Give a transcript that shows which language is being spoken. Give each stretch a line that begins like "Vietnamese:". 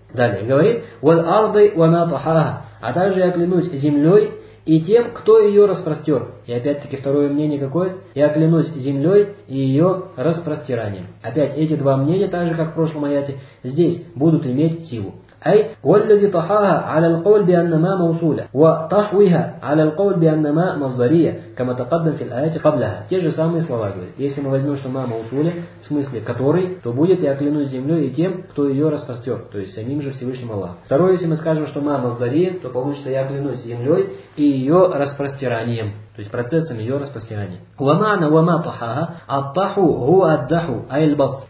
Russian: Далее говорит.
Arabic: وَالْأَرْضِ وَمَا طَحَاهَا.
Russian: А также я клянусь землей и тем, кто ее распростер. И опять-таки второе мнение какое? Я клянусь землей и ее распростиранием. Опять эти два мнения, так же как в прошлом аяте, здесь будут иметь силу.
Arabic: أي والذي طحاها على القول بأن ما موصولة وطحوها على القول بأن ما مصدرية كما تقدم في الآية قبلها.
Russian: Те же самые слова говорит. Если мы возьмем, что ما موصولة, в смысле который, то будет я клянусь землей и тем, кто ее распростер, то есть самим же Всевышним Аллахом. Второе, если мы скажем, что ма мосдария, то получится я клянусь землей и ее распростиранием. То есть процессом ее распростирания.
Arabic: Уамана уама тахаха, аттаху гуаддаху, айльбаст.